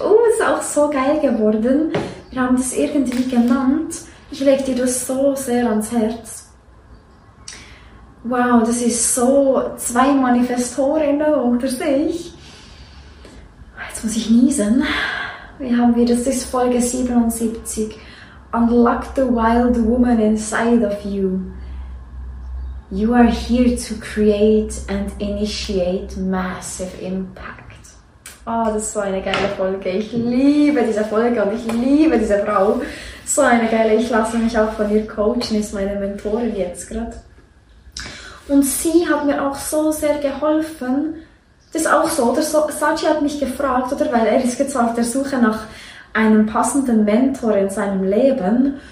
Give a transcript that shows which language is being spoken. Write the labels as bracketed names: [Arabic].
[German] Oh, ist auch so geil geworden. Wir haben das irgendwie genannt. Ich lege dir das so sehr ans Herz. Wow, das ist so zwei Manifestorinnen unter sich. Jetzt muss ich niesen. Wie haben wir das? Das ist Folge 77. [English] Unlock the wild woman inside of you. You are here to create and initiate massive impact. [German] Oh, das ist so eine geile Folge. Ich liebe diese Folge und ich liebe diese Frau. So eine geile. Ich lasse mich auch von ihr coachen, ist meine Mentorin jetzt gerade. Und sie hat mir auch so sehr geholfen. Das ist auch so, oder? Sachi hat mich gefragt, oder? Weil er ist jetzt auf der Suche nach einem passenden Mentor in seinem Leben.